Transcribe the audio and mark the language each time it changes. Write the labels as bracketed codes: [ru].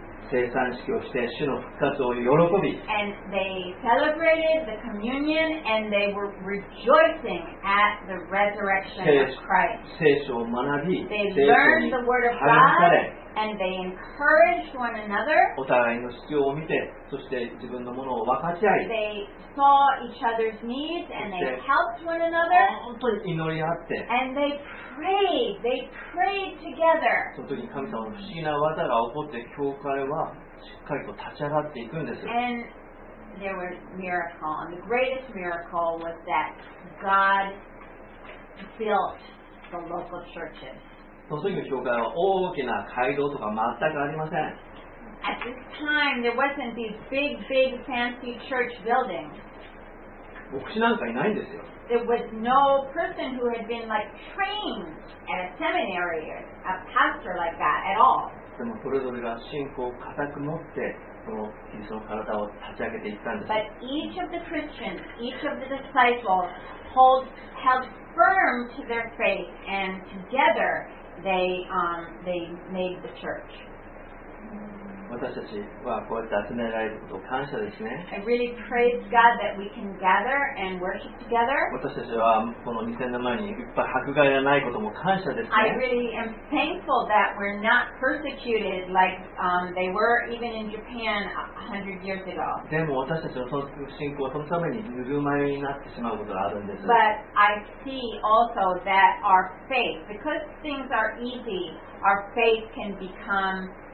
[ja] 生産式をして主の復活を喜び、 [en] and they celebrated the communion and they were rejoicing at the resurrection of Christ. [ja] 聖書を学び、 [en] they learned the word of God and they encouraged one another. [ja] お互いの必要を見て、そして自分のものを分かち合い、 [en] they saw each other's needs and they helped one another. [ja] 本当に祈り合って、 [en] and they prayed. They prayed together. [ja] その時に神様の不思議な技が起こって教会はしっかりと立ち上がっていくんです。 [en] And there was miracle. And the greatest miracle was that God built the local churches. [ja] その時の教会は大きな街道とか全くありません。 [en] At this time, there wasn't these big, big, fancy church buildings. [ja] 牧師なんかいないんですよ。 [en] There was no person who had been like trained at a seminary or a pastor like that at all. [ja] でもそれぞれが信仰を固く持ってそのキリストの体を立ち上げていったんです。 [en] But each of the Christians, each of the disciples held firm to their faith and together they made the church. [ja] 私たちはこうやって集められることを感謝ですね。 [en] I really praise God that we can gather and worship together. [ja] 私たちはこの2000年前にいっぱい迫害がないことも感謝ですね。 [en] I really am thankful that we're not persecuted like they were even in Japan 100 years ago. [ja] でも私たちのその信仰はそのためにぬるま湯になってしまうことがあるんです。 [en] But I see also that our faith, because things are easy, our faith can become...